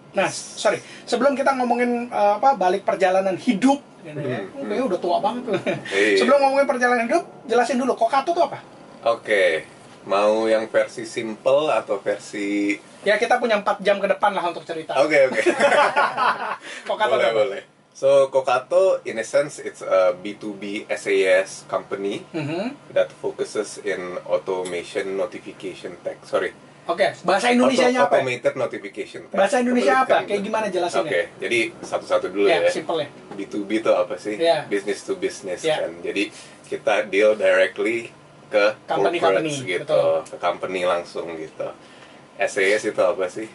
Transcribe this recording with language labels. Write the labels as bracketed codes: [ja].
[id] Nah, sorry, sebelum kita ngomongin balik perjalanan hidup, ini udah tua banget. Sebelum ngomongin perjalanan hidup, jelasin dulu Kokato itu apa? Oke, mau yang versi simple atau versi... Ya, kita punya 4 jam ke depan lah untuk cerita. Oke. Kokato boleh, boleh. [en] So, Kokato, in a sense, it's a B2B SaaS company that focuses in automation notification tech. [id] Bahasa Indonesia-nya apa? [en] Automated notification tech. [id] Bahasa Indonesia apa? Kayak gimana jelasinnya? Oke, jadi satu-satu dulu ya. Simple-nya. B2B itu apa sih? Business to business. Kan? Jadi, kita deal directly ke company-company gitu. Ke company langsung gitu. SaaS itu apa sih?